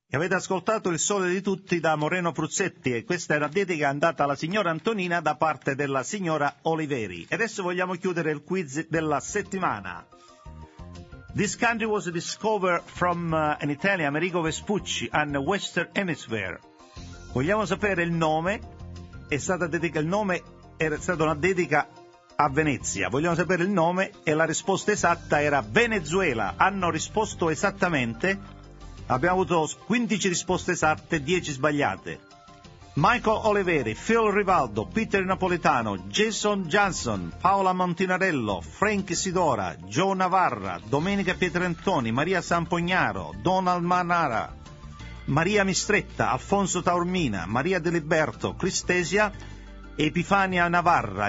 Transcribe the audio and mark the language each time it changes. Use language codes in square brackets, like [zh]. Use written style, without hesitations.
[it] Ascoltato Il sole di tutti da Moreno Fruzzetti, e questa è la dedica andata alla signora Antonina da parte della signora Oliveri. E adesso vogliamo chiudere il quiz della settimana. [en] This country was discovered from an Italian, Amerigo Vespucci, and Western Hemisphere. [it] Vogliamo sapere il nome. È stata dedica, il nome era stata una dedica a Venezia. Vogliamo sapere il nome, e la risposta esatta era Venezuela. Hanno risposto esattamente. Abbiamo avuto 15 risposte esatte, 10 sbagliate. Michael Oliveri, Phil Rivaldo, Peter Napolitano, Jason Johnson, Paola Montinarello, Frank Sidora, Joe Navarra, Domenica Pietrantoni, Maria Sampognaro, Donald Manara, Maria Mistretta, Alfonso Taormina, Maria Deliberto, Cristesia, Epifania Navarra.